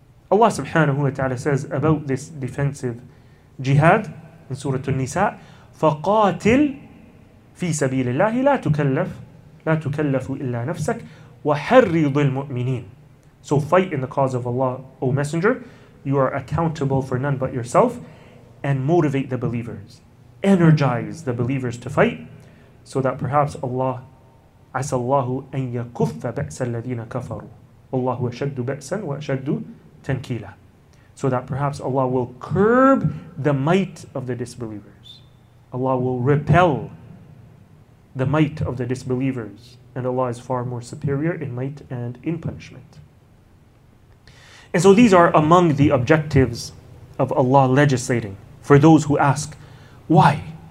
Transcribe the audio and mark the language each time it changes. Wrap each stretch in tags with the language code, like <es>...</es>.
<en>Allah subhanahu wa ta'ala says about this defensive jihad in Surah An-Nisa,</en> <ar>فَقَاتِلْ فِي سَبِيلِ اللَّهِ لَا تُكَلَّفُ إِلَّا نَفْسَكَ وَحَرِّضِ الْمُؤْمِنِينَ.</ar> <en>So fight in the cause of Allah, O Messenger. You are accountable for none but yourself. And motivate the believers. Energize the believers to fight, so that perhaps Allah,</en> <ar>عَسَى اللَّهُ أَنْ يَكُفَّ بَأْسَ الَّذِينَ كَفَرُوا وَاللَّهُ أَشَدُّ بَأْسًا وَأَشَدُّ تَنْكِيلًا.</ar> <en>So that perhaps Allah will curb the might of the disbelievers. Allah will repel the might of the disbelievers. And Allah is far more superior in might and in punishment. And so these are among the objectives of Allah legislating for those who ask, why?</en>